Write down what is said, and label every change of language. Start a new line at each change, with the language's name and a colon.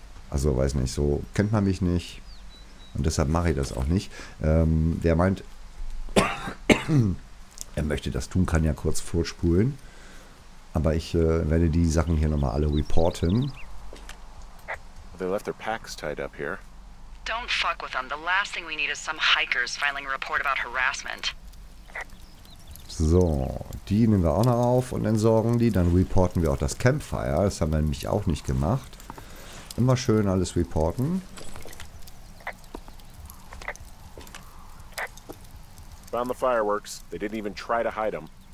German: Also, weiß nicht, so kennt man mich nicht. Und deshalb mache ich das auch nicht. Wer meint, er möchte das tun, kann ja kurz vorspulen. Aber ich werde die Sachen hier nochmal alle reporten.
English: They left their packs tied up here. Don't fuck with them. The last thing we need is some hikers filing a report about harassment.
German: So, die nehmen wir auch noch auf und entsorgen die. Dann reporten wir auch das Campfire. Das haben wir nämlich auch nicht gemacht. Immer schön alles reporten.
English: Found the fireworks. They didn't even try to hide them.